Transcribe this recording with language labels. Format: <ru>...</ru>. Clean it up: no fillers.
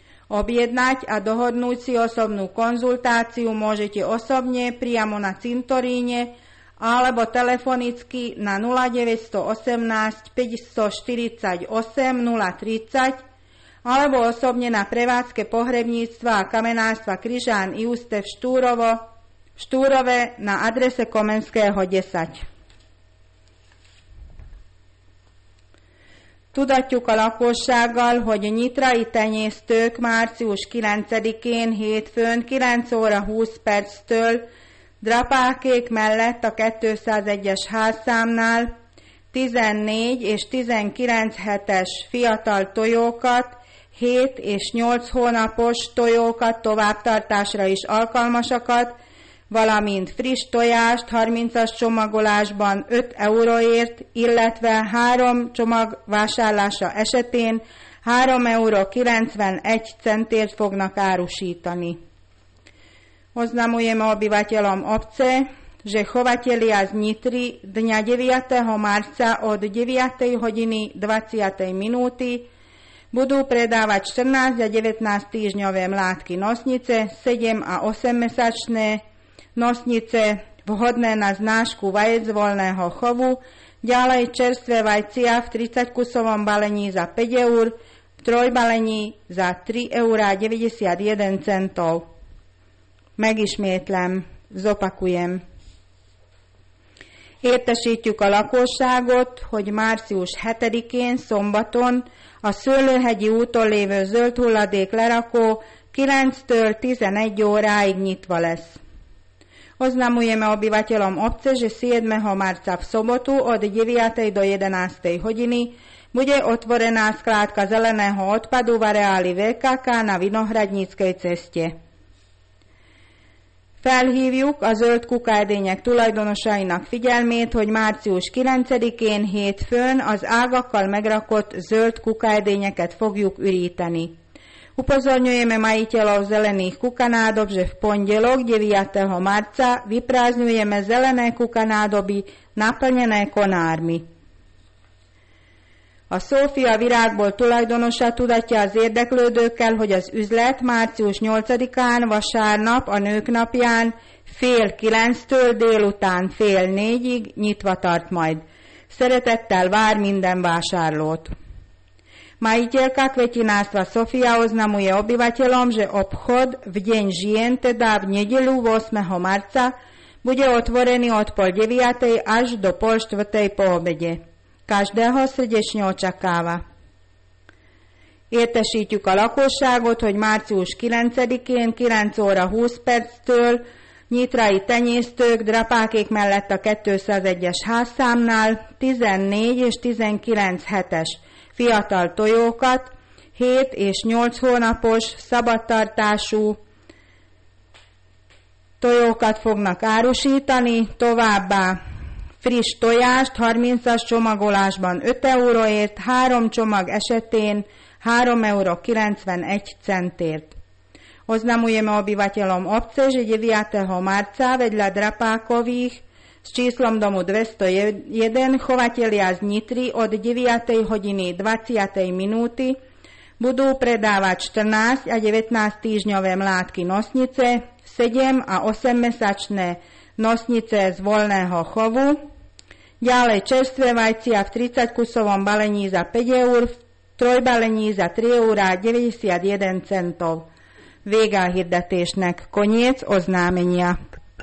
<sk>Objednať a dohodnúť si osobnú konzultáciu môžete osobne priamo na cintoríne alebo telefonicky na 0918 548 030 alebo osobne na prevádzke pohrebníctva a kamenárstva Krizsán Iuszte v Štúrove na adrese Komenského 10.</sk> <hu>Tudatjuk a lakossággal, hogy a nyitrai tenyésztők március 9-én hétfőn 9 óra 20 perctől drapákék mellett a 201-es házszámnál 14 és 19 hetes fiatal tojókat, 7 és 8 hónapos tojókat továbbtartásra is alkalmasakat, valamint friss tojást 30-as csomagolásban 5 euróért, illetve 3 csomag vásárlása esetén 3,91 € fognak árusítani.</hu> <sk>Oznamujeme obyvateľom obce, že chovatelia z Nitry dňa 9. marca od 9. hodiny 20. minúty budú predávať 14 a 19 týždňové mládky nosnice, 7 a 8 mesačné nosnice vhodné na znášku vajec voľného chovu, ďalej čerstvé vajcia v 30-kusovom balení za 5 eur, v trojbalení za 3,91 €.</sk> <hu>Megismétlem,</hu> <sk>zopakujem.</sk> <hu>Értesítjük a lakosságot, hogy március 7-én szombaton a Szőlőhegyi úton lévő zöld hulladék lerakó 9-től 11 óráig nyitva lesz.</hu> <sk>Oznamujeme obyvateľom obce, že 7. marca v sobotu od 9. do 11. hodiny bude otvorená skládka zeleného odpadu v areáli VKK na Vinohradníckej ceste.</sk> <hu>Felhívjuk a zöld kukaedények tulajdonosainak figyelmét, hogy március 9-én hétfőn az ágakkal megrakott zöld kukaedényeket fogjuk üríteni.</hu> <sk>Upozorňujeme majiteľov zelených kukanádob, že v pondelok 9. marca vyprázdňujeme zelené kukanádoby naplnené konármi.</sk> <hu>A Szófia virágból tulajdonosa tudatja az érdeklődőkkel, hogy az üzlet március 8-án, vasárnap, a nők napján 8:30-től délután 3:30-ig nyitva tart majd. Szeretettel vár minden vásárlót.</hu> <sk>Majiteľka kvetinárstva Szófia oznamuje obyvateľom, že obchod v deň žien, teda v nedeľu 8. marca, bude otvorený od 9:30 až do 3:30 po obede. Každého srdečne očakáva.</sk> <hu>Értesítjük a lakosságot, hogy március 9-én 9:20-től nyitrai tenyésztők drapákék mellett a 201-es házszámnál 14 és 19 hetes fiatal tojókat, 7 és 8 hónapos szabadtartású tojókat fognak árusítani, továbbá friss tojást 30-as csomagolásban 5 euróért, 3 csomag esetén 3,91 €.</hu> <sk>Oznamujeme obyvateľom obce, že 9. marca vedľa drapákových s číslom domu 201 chovatelia z Nitry od 9. hodiny 20. minúty budú predávať 14 a 19 týždňové mládky nosnice, 7 a 8 mesačné nosnice z voľného chovu, ďalej čerstvé vajcia v 30-kusovom balení za 5 eur, v trojbalení za 3,91 €.</sk> <hu>Vége a hirdetésnek.</hu> <sk>Koniec oznámenia.</sk>